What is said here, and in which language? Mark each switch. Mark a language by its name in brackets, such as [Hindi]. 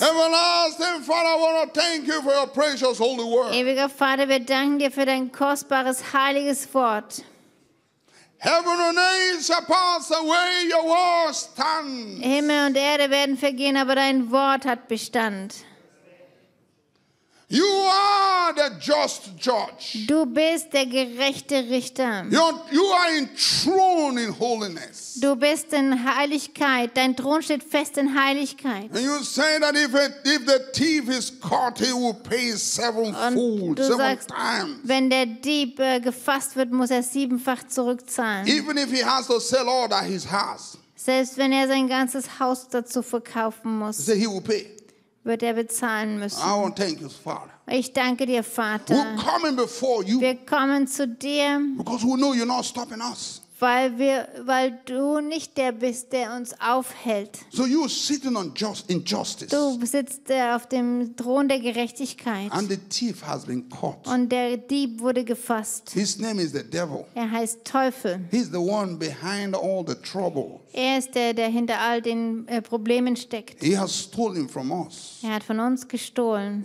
[English] Everlasting Father, I want to thank you for your precious holy word. [German] Ewiger Vater, wir danken dir für dein kostbares heiliges Wort. [English] Heaven and earth shall pass away, your word stands. [German] Himmel und Erde werden vergehen, aber dein Wort hat Bestand. [English] You are the just judge. [German] Du bist der gerechte Richter. [English] You are enthroned in holiness. [German] Du bist in Heiligkeit. Dein Thron steht fest in Heiligkeit. [English] And you say that if the thief is caught, he will pay sevenfold, seven times. [German] Wenn der Dieb gefasst wird, muss er siebenfach zurückzahlen. [English] Even if he has to sell all that he has. [German] Selbst wenn er sein ganzes Haus dazu verkaufen muss. [English] He will pay. [German] wird er bezahlen müssen. [English] I want to thank you, Father. [German] Ich danke dir, Vater. [English] We're coming before you. [German] Wir kommen zu dir, [English] because we know you're not stopping us. [German] Weil du nicht der bist, der uns aufhält. [English] So you're sitting on just injustice. [German] Du sitzt auf dem Thron der Gerechtigkeit. [English] And the thief has been caught. [German] Und der Dieb wurde gefasst. [English] His name is the devil. [German] Er heißt Teufel. [English] He's the one behind all the trouble. [German] Er ist der, der hinter all den Problemen steckt. [English] He has stolen from us. [German] Er hat von uns gestohlen.